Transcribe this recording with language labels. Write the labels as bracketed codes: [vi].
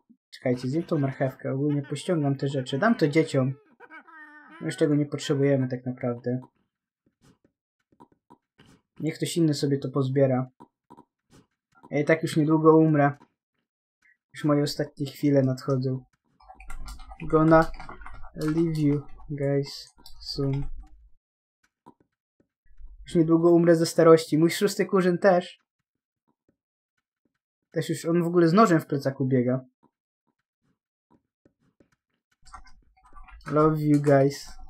[pl] Czekajcie, zjem tą marchewkę. Ogólnie pościągam te rzeczy. Dam to dzieciom. My już tego nie potrzebujemy tak naprawdę. Niech ktoś inny sobie to pozbiera. Ja i tak już niedługo umrę. Już moje ostatnie chwile nadchodzą. [en] Gonna leave you guys soon. [pl] Już niedługo umrę ze starości. Mój szósty kurzyn też. Też już on w ogóle z nożem w plecaku biega. [en] Love you guys.